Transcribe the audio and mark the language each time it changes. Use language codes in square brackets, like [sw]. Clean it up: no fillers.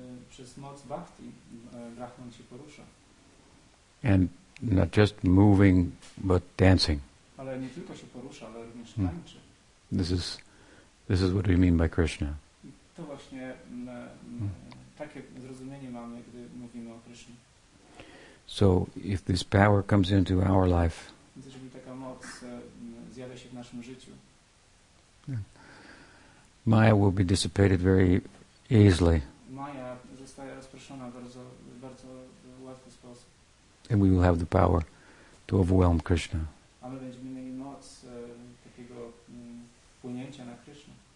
[pl] Przez moc bhakti, Brahman się porusza. [en] And not just moving, but dancing. [pl] Ale nie tylko się porusza, ale również tańczy. [en] This is what we mean by Krishna. [pl] To właśnie takie zrozumienie mamy, gdy mówimy o Krishna. [en] So if this power comes into our life, [pl] jeżeli taka moc zjawia się w naszym życiu, [en] maya will be dissipated very easily. [pl] Maya zostaje rozproszona w bardzo, bardzo łatwy sposób. [en] And we will have the power to overwhelm Krishna. [pl] A my będziemy mieli moc takiego wpłynięcia na Krishna.